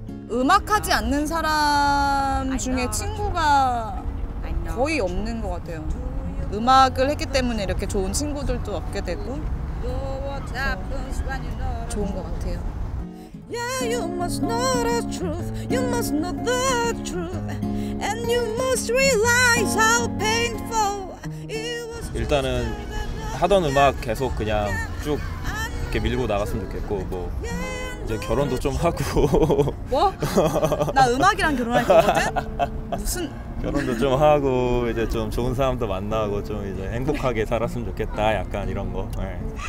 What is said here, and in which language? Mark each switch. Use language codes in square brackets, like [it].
[ko] 음악하지 않는 사람 중에 친구가 거의 없는 것 같아요. 음악을 했기 때문에 이렇게 좋은 친구들도 얻게 되고 좋은 것 같아요. [en] Yeah, you must know the truth. You must know the truth. And you must realize how painful it was. [ko] 일단은 하던 음악 계속 그냥 쭉 이렇게 밀고 나갔으면 좋겠고 뭐 이제 결혼도 좀 하고. 뭐? 나 음악이랑 결혼할 거거든? 무슨? 결혼도 좀 하고 이제 좀 좋은 사람도 만나고 좀 이제 행복하게 살았으면 좋겠다. 약간 이런 거. 네.